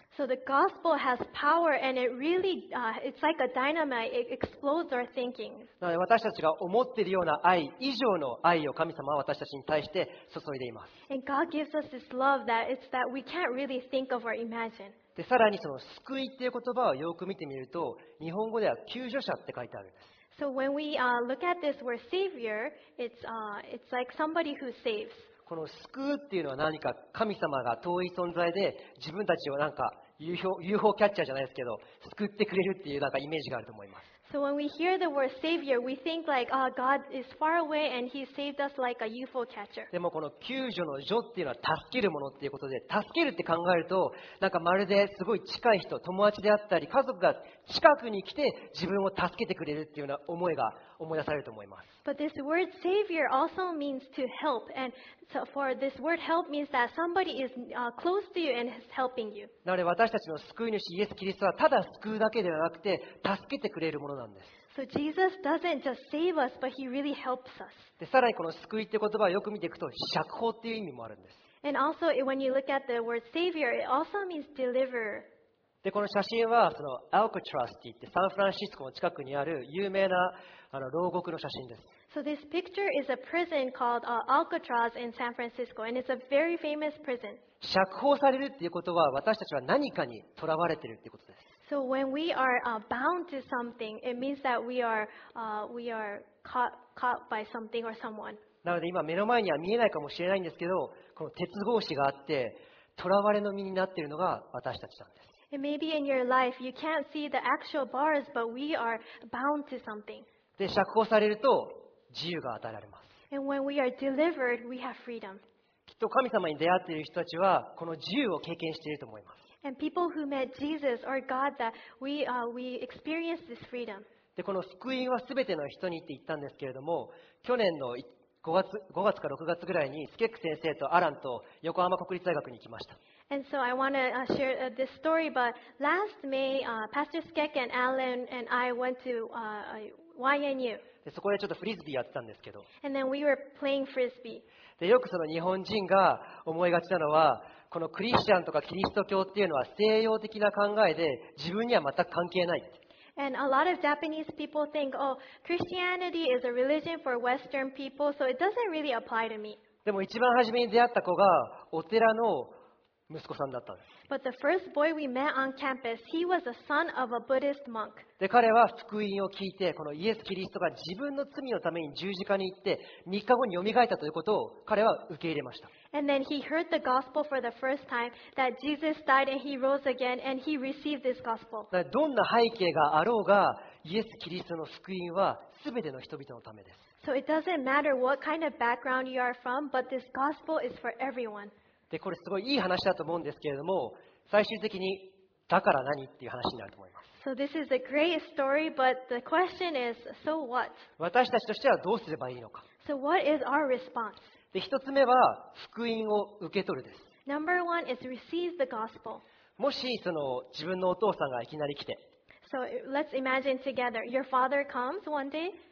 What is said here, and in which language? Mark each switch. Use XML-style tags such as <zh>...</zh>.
<en>So the gospel has power and it really, it's like a dynamite, it explodes our thinking.</en> <ja>私たちが思っているような愛以上の愛を神様は私たちに対して注いでいます。</ja> <en>And God gives us this love that it's that we can't really think of or imagine.</en> <ja>で、さらにその救いっていう言葉をよく見てみると、日本語では救助者って書いてあるんです。</ja> <en>So when we look at this word savior, it's like somebody who saves.</en> <ja>この救うっていうのは何か神様が遠い存在で自分たちをなんか UFO キャッチャーじゃないですけど救ってくれるっていうなんかイメージがあると思います。</ja> <en>So when we hear the word savior, we think like, oh, God is far away and he saved us like a UFO catcher.</en> <ja>でもこの救助の助っていうのは助けるものっていうことで助けるって考えるとなんかまるですごい近い人、友達であったり家族が近くに来て自分を助けてくれるっていうような思いが思い出されると思います。</ja> <en>But this word savior also means to help. And so for this word help means that somebody is close to you and is helping you.</en> <ja>なので私たちの救い主イエス・キリストはただ救うだけではなくて助けてくれるものなんです。</ja> <en>So Jesus doesn't just save us, but he really helps us.</en> <ja>で、さらにこの救いって言葉をよく見ていくと釈放っていう意味もあるんです。</ja> <en>And also when you look at the word savior, it also means deliverer.</en> <ja>でこの写真はそのアルカトラスって言ってサンフランシスコの近くにある有名なあの牢獄の写真です。</ja> <en>So this picture is a prison called Alcatraz in San Francisco, and it's a very famous prison.</en> <ja>釈放されるっていうことは私たちは何かに囚われているっていうことです。</ja> <en>So when we are bound to something, it means that we are caught by something or someone.</en> <ja>なので今目の前には見えないかもしれないんですけど、この鉄格子があって囚われの身になっているのが私たちなんです。</ja> <en>And maybe in your life you can't see the actual bars, but we are bound to something.</en> <ja>で、釈放されると自由が与えられます。</ja> <en>And when we are delivered, we have freedom.</en> <ja>きっと神様に出会っている人たちはこの自由を経験していると思います。</ja> <en>And people who met Jesus or God that we experienced this freedom.</en> <ja>で、この福音はすべての人にって言ったんですけれども、去年の5月か6月ぐらいにスケック先生とアランと横浜国立大学に行きました。</ja> <en>And so I want to share this story, but last May, Pastor Skek and Alan and I went to YNU.</en> <ja>でそこでちょっとフリスビーやってたんですけど。</ja> <en>And then we were playing frisbee.</en> <ja>でよくその日本人が思いがちなのは、このクリスチャンとかキリスト教っていうのは西洋的な考えで自分には全く関係ない。</ja> <en>And a lot of Japanese people think, oh, Christianity is a religion for Western people, so it doesn't really apply to me.</en> <ja>でも一番初めに出会った子がお寺の息子さんだったんです。</ja> <en>But the first boy we met on campus, he was a son of a Buddhist monk.</en> <ja>で、彼は福音を聞いて、このイエス・キリストが自分の罪のために十字架に行って、3日後に蘇ったということを彼は受け入れました。</ja> <en>And then he heard the gospel for the first time that Jesus died and he rose again and he received this gospel.</en> <ja>どんな背景があろうが、イエス・キリストの福音は全ての人々のためです。</ja> <en>So it doesn't matter what kind of background you are from, but this gospel is for everyone.</en> <ja>でこれすごいいい話だと思うんですけれども、最終的にだから何っていう話になると思います。</ja> <en>So this is a great story, but the question is, so what?</en> <ja>私たちとしてはどうすればいいのか。</ja> <en>So what is our response?</en> <ja>で一つ目は福音を受け取るです。</ja> <en>Number one is receive the gospel.</en> <ja>もしその自分のお父さんがいきなり来て、</ja> <en>So let's imagine together, your father comes one day.</en>